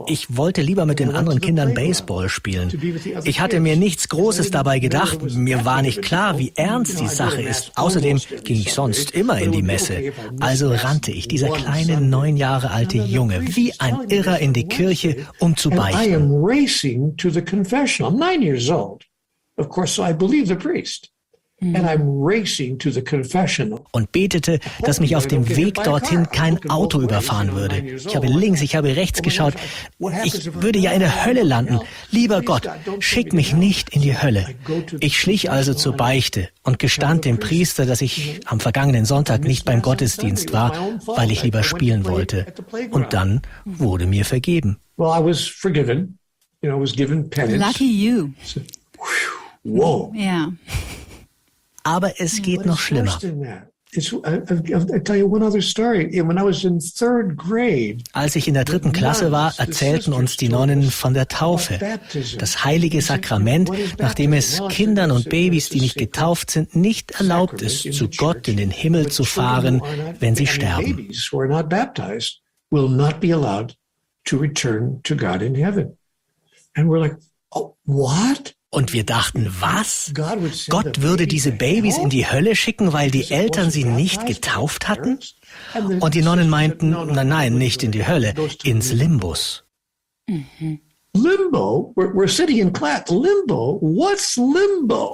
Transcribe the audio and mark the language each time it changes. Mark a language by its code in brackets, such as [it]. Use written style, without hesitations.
[de] Ich wollte lieber mit den anderen Kindern Baseball spielen. Ich hatte mir nichts Großes dabei gedacht. Mir war nicht klar, wie ernst die Sache ist. Außerdem ging ich sonst immer in die Messe. Also rannte ich, dieser kleine 9 Jahre alte Junge, wie ein Irrer in die Kirche, um zu beichten. [en] I am racing to the confessional. I'm 9 years old. Of course, so I believe the priest. And I'm racing to the confessional. [de] Und betete, dass mich auf dem Weg dorthin kein Auto überfahren würde. Ich habe links, ich habe rechts geschaut. Ich würde ja in der Hölle landen. Lieber Gott, schick mich nicht in die Hölle. Ich schlich also zur Beichte und gestand dem Priester, dass ich am vergangenen Sonntag nicht beim Gottesdienst war, weil ich lieber spielen wollte. Und dann wurde mir vergeben. [en] Well, I was forgiven. You know, I was given penance. Lucky you. Whoa. Yeah. [de] Aber es geht noch schlimmer. [en] I'll tell you one other story. When I was in third grade, [de] als ich in der dritten Klasse war, erzählten uns die Nonnen von der Taufe, das heilige Sakrament, nachdem es Kindern und Babys, die nicht getauft sind, nicht erlaubt ist, zu Gott in den Himmel zu fahren, wenn sie sterben. [en] Babies who are not baptized will not be allowed to return to God in heaven. And we're like, oh, what? [de] Und wir dachten, was? Gott würde diese Babys in die Hölle schicken, weil die Eltern sie nicht getauft hatten? Und die Nonnen meinten, nein, nein, nicht in die Hölle, ins Limbus. [en] Limbo? We're sitting in class. Limbo? What's limbo?